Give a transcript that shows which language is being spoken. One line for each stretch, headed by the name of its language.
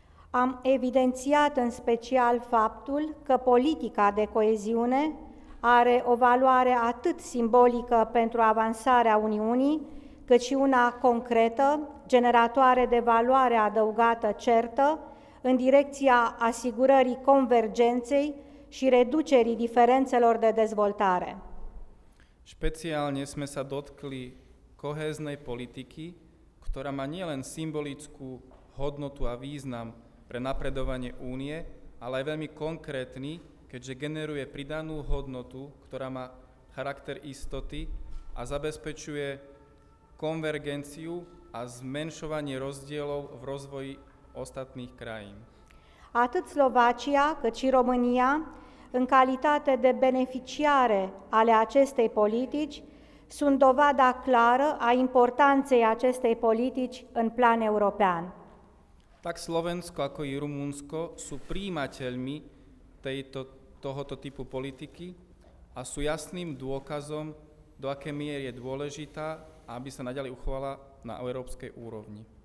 Romanian: Am evidențiat în special faptul că politica de coeziune are o valoare atât simbolică pentru avansarea Uniunii, cât și una concretă, generatoare de valoare adăugată certă, în direcția asigurării convergenței și reducerii diferențelor de dezvoltare.
Slovak: Špeciálne sme sa dotkli kohéznej politiky, ktorá má nielen symbolickú hodnotu a význam pre napredovanie Únie, ale aj veľmi konkrétny, keďže generuje pridanú hodnotu, ktorá má charakter istoty a zabezpečuje konvergenciu a zmenšovanie rozdielov v rozvoji ostatných krajín.
Romanian: Atât Slovacia, cât și România, în calitate de beneficiare ale acestei politici, sunt dovada clară a importanței acestei politici în plan european.
Slovak: Tak Slovensko, ako i Rumunsko, sú príjimateľmi tohoto typu politiky a sú jasným dôkazom, do aké miery je dôležitá, aby sa naďalej uchovala na európskej úrovni.